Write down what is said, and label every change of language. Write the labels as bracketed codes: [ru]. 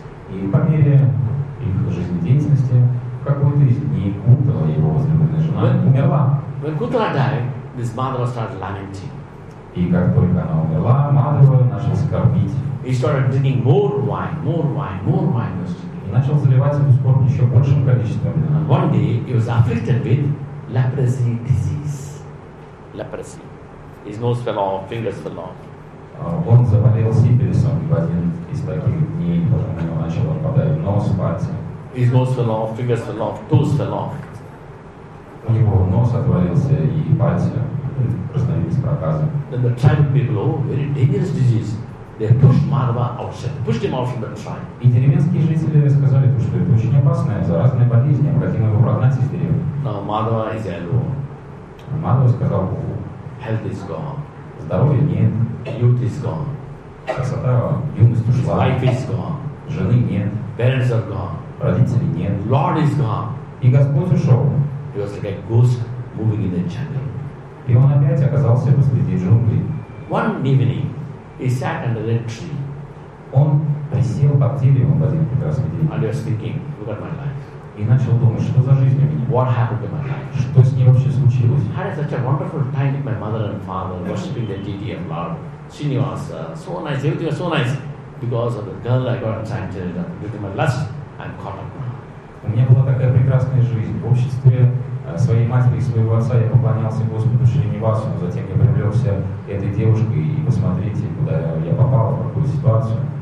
[ru] И по мере их жизнедеятельности, в какой-то из дней Кунтала, его возлюбленная жена, умерла. [en] When Kuntala died, this Madhava started lamenting. [ru] И как только она умерла, Мадхава начал скорбить. [en] He started drinking more wine, more wine, more wine was drinking. [ru] И начал заливать эту скорбь еще большим количеством. [en] And one day he was afflicted with leprosy disease. Leprosy. His nose fell off, fingers fell off. [ru] Он заболел сифилисом, и в один из таких дней у него начал отпадать нос, пальцы. [en] His nose fell off, fingers fell off, toes fell off. [ru] У него нос отвалился, и пальцы разновились проказом. [en] Then the tribal people, oh, very dangerous disease. They pushed Madhava outside, pushed him out from the tribe. [ru] И деревенские жители сказали, что это очень опасная, заразная болезнь, необходимо его прогнать из деревни. [en] Now Madhava is alone. [ru] Madhava сказал, [en] health is gone. [ru] Здоровья нет. [en] Youth is gone. [ru] Красота, юность ушла. [en] Life is gone. [ru] Жены нет. [en] Parents are gone. [ru] Родителей нет. [en] Lord is gone. [ru] И Господь ушел. [en] He was like a ghost moving in the jungle. [ru] И он опять оказался посреди джунглей. [en] One evening, he sat under a tree. [ru] Он присел под деревом в один прекрасный день. [en] And he was thinking, look at my life. [ru] И начал думать, что за жизнь у меня? [en] What happened to my life? [ru] Что с ней вообще случилось? [en] I had such a wonderful time with my mother and father, worshiping the deity of Lord Srinivasa. So nice, everything was so nice. Because of the girl I got enchanted with my lust, I'm caught up now. [ru] У меня была такая прекрасная жизнь. В обществе своей матери и своего отца я поклонялся Господу Шринивасу. Затем я привлекся этой девушкой. И посмотрите, куда я попал, в какую ситуацию.